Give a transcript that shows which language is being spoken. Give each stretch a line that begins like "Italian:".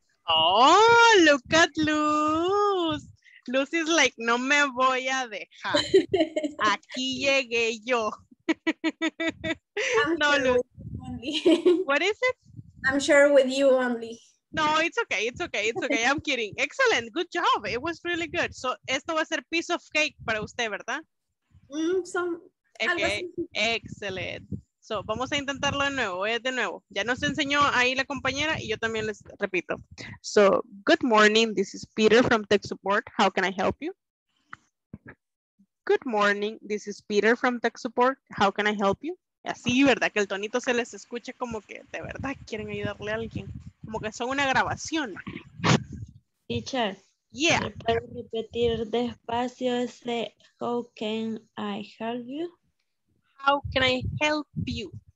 English: Oh, look at Luz. Luz is like,
Spanish: no me voy a dejar. Aquí llegué yo. No, Luz.
English: What is it? I'm sure with you only. No, it's okay, it's okay, it's okay, I'm kidding. Excellent, good job, it was really good.
Spanish: So, esto va a ser
English: piece of cake
Spanish: para usted, ¿verdad?
English: Okay, excellent.
Spanish: So, vamos a intentarlo de nuevo, de nuevo. Ya nos enseñó ahí la compañera y yo también les repito.
English: So, good morning, this is Peter from Tech Support. How can I help you? Good morning, this is Peter from Tech Support. How can I help you?
Spanish: Así, ¿verdad? Que el tonito se les escuche como que de verdad quieren ayudarle a alguien. Como que son una grabación.
English: Teacher. Yeah.
Spanish: ¿Puedo repetir despacio ese
English: how can I help you? How can I help you?